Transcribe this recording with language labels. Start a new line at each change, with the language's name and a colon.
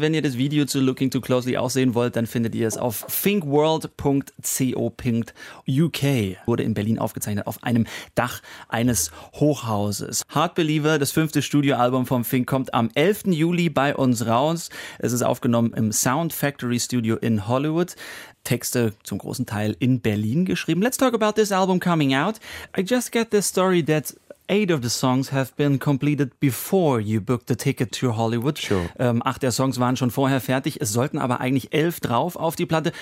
German: Wenn ihr das Video zu Looking Too Closely auch sehen wollt, dann findet ihr es auf thinkworld.co.uk. Wurde in Berlin aufgezeichnet auf einem Dach eines Hochhauses. Hard Believer, das fünfte Studioalbum von Fink, kommt am 11. Juli bei uns raus. Es ist aufgenommen im Sound Factory Studio in Hollywood. Texte zum großen Teil in Berlin geschrieben.
English: Let's talk about this album coming out. I just get this story that 8 of the songs have been completed before you booked the ticket to Hollywood. Sure.
German: 8 der Songs waren schon vorher fertig. Es sollten aber eigentlich 11 drauf auf die Platte.